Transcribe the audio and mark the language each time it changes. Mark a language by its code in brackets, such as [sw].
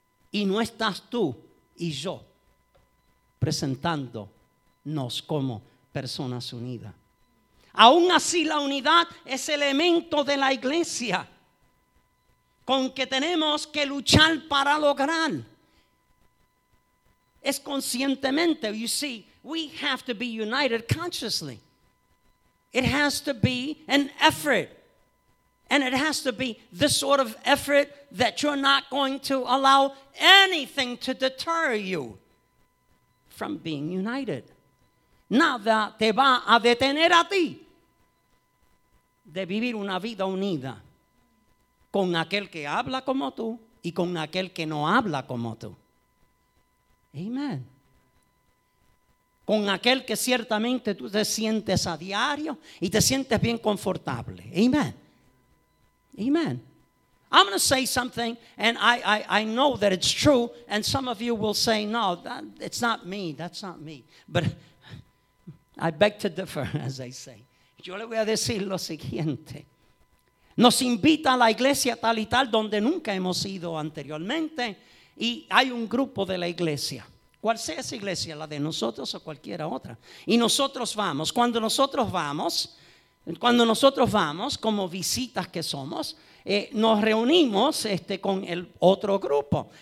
[es] Y no estás tú y yo presentándonos como personas unidas. Aún así, la unidad es elemento de la iglesia con que tenemos que luchar para lograr. [en] Es conscientemente, you see, we have to be united consciously. It has to be an effort. And it has to be the sort of effort that you're not going to allow anything to deter you from being united. [es] Nada te va a detener a ti de vivir una vida unida con aquel que habla como tú y con aquel que no habla como tú. Amen. Con aquel que ciertamente tú te sientes a diario y te sientes bien confortable. Amen. Amen. [en] I'm going to say something, and I know that it's true, and some of you will say, no, that, it's not me, that's not me. But I beg to differ, as they say. [es] Yo le voy a decir lo siguiente. Nos invita a la iglesia tal y tal donde nunca hemos ido anteriormente, y hay un grupo de la iglesia. Cual sea esa iglesia, la de nosotros o cualquiera otra. Y nosotros vamos. Cuando nosotros vamos, como visitas que somos, nos reunimos con el otro grupo.